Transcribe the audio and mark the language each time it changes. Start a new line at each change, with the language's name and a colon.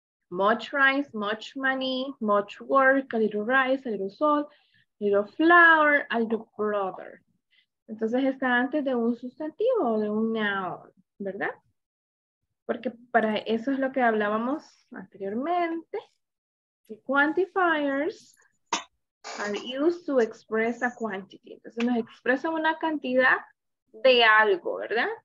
English: Much rice, much money, much work, a little rice, a little salt, a little flour, a little brother.
Spanish: Entonces está antes de un sustantivo, de un noun, ¿verdad? Porque para eso es lo que hablábamos anteriormente.
English: The quantifiers are used to express a quantity.
Spanish: Entonces nos expresa una cantidad de algo, ¿verdad?